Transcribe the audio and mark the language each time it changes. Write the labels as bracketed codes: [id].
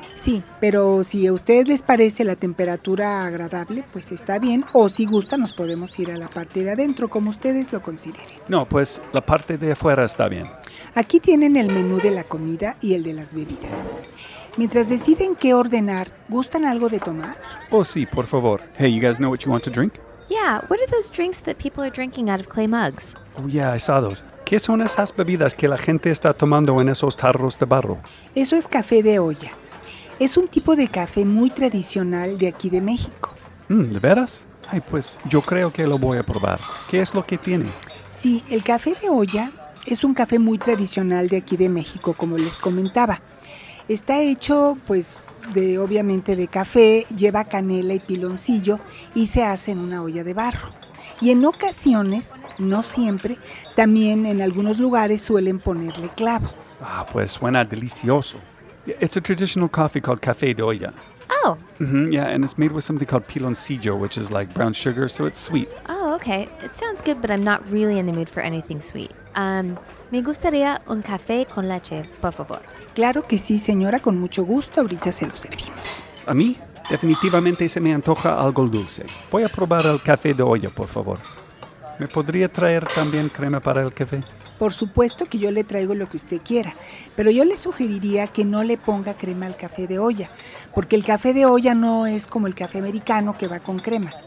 [es] Sí, pero si a ustedes les parece la temperatura agradable, pues está bien. O si gusta, nos podemos ir a la parte de adentro, como ustedes lo consideren. No, pues la parte de afuera está bien. Aquí tienen el menú de la comida y el de las bebidas. Mientras deciden qué ordenar, ¿gustan algo de tomar? Oh, sí, por favor. [en] Hey, you guys know what you want to drink? Yeah, what are those drinks that people are drinking out of clay mugs? Oh, yeah, I saw those. [es] ¿Qué son esas bebidas que la gente está tomando en esos tarros de barro? Eso es café de olla. Es un tipo de café muy tradicional de aquí de México. ¿De veras? Ay, pues yo creo que lo voy a probar. ¿Qué es lo que tiene? Sí, el café de olla es un café muy tradicional de aquí de México, como les comentaba. Está hecho, pues, obviamente de café, lleva canela y piloncillo y se hace en una olla de barro. Y en ocasiones, no siempre, también en algunos lugares suelen ponerle clavo. Ah, pues suena delicioso. [en] It's a traditional coffee called café de olla. Oh. Mm-hmm, yeah, and it's made with something called piloncillo, which is like brown sugar, so it's sweet. Oh, okay. It sounds good, but I'm not really in the mood for anything sweet. [es] Me gustaría un café con leche, por favor. Claro que sí, señora, con mucho gusto. Ahorita se lo servimos. ¿A mí? Definitivamente se me antoja algo dulce. Voy a probar el café de olla, por favor. ¿Me podría traer también crema para el café? Por supuesto que yo le traigo lo que usted quiera, pero yo le sugeriría que no le ponga crema al café de olla, porque el café de olla no es como el café americano que va con crema.